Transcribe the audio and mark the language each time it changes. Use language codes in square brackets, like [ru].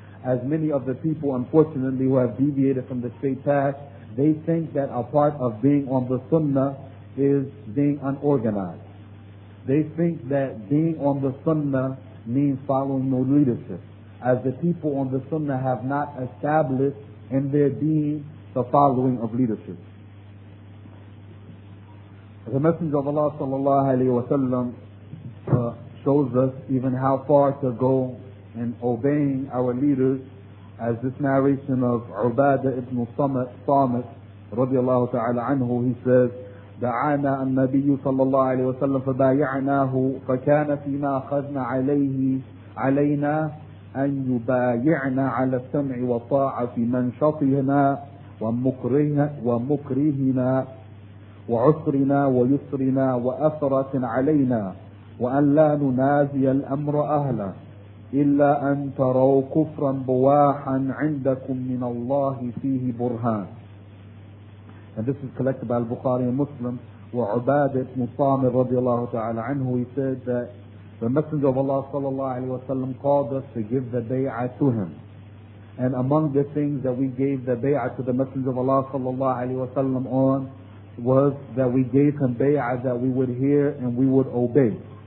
[en] As many of the people, unfortunately, who have deviated from the straight path, they think that a part of being on the sunnah is being unorganized. They think that being on the sunnah means following no leadership, as the people on the sunnah have not established in their being the following of leadership. The Messenger of Allah sallallahu alayhi wa sallam shows us even how far to go in obeying our leaders, as this narration of Ubadah ibn Samit [ar] رضي الله تعالى عنه, [en] he says, [ar] دعانا النبي صلى الله عليه وسلم فبايعناه فكان فيما أخذنا عليه علينا أن يبايعنا على السمع والطاعة في منشطنا ومكرهنا وعسرنا ويسرنا وأثرة علينا وأن لا ننازي الأمر أهله إلا أن تروا كفرا بواحا عندكم من الله فيه برهان. [en] And this is collected by al-Bukhari and Muslim. [ar] وَعُبَادِ بْنُ صَامِرْ رَضِيَ اللَّهُ تَعَالَى عَنْهُ, [en] he said that the Messenger of Allah sallallahu alayhi wa sallam called us to give the bay'ah to him. And among the things that we gave the bay'ah to the Messenger of Allah sallallahu alayhi wa sallam on was that we gave him bay'ah that we would hear and we would obey.